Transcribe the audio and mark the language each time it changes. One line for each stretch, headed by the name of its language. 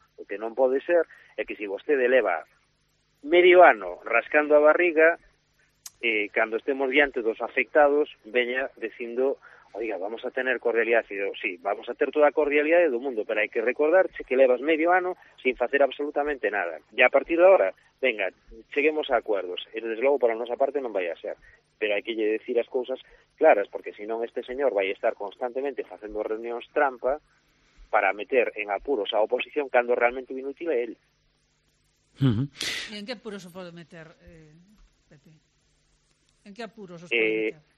Galician: O que non pode ser é que se vostede leva medio ano rascando a barriga, cando estemos diante dos afectados, veña dicindo: oiga, vamos a tener cordialidade. Digo, sí, vamos a ter toda a cordialidade do mundo, pero hai que recordarche que levas medio ano sin facer absolutamente nada. E a partir de agora, venga, cheguemos a acuerdos. E, desde logo, para a nosa parte non vai a ser. Pero hai que decir as cousas claras, porque senón este señor vai estar constantemente facendo reunións trampa para meter en apuros a oposición cando realmente o inútil é él.
Spanish: Uh-huh. ¿Y en qué apuros os puedo meter, Pepe? ¿En qué apuros os puedo meter?